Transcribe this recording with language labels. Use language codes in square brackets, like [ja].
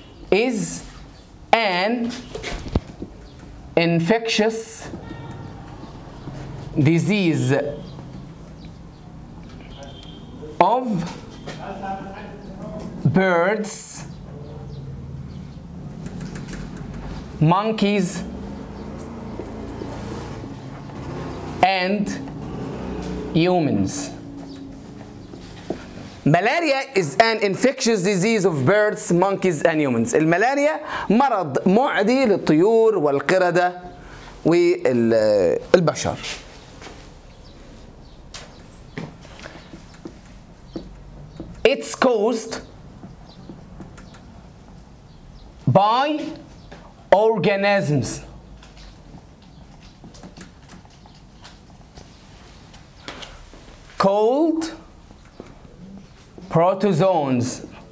[en] is an infectious disease of birds, monkeys, and humans. Malaria is an infectious disease of birds, monkeys and humans. [ar] الملاريا مرض معدي للطيور والقردة والبشر. [en] It's caused by organisms called protozoans.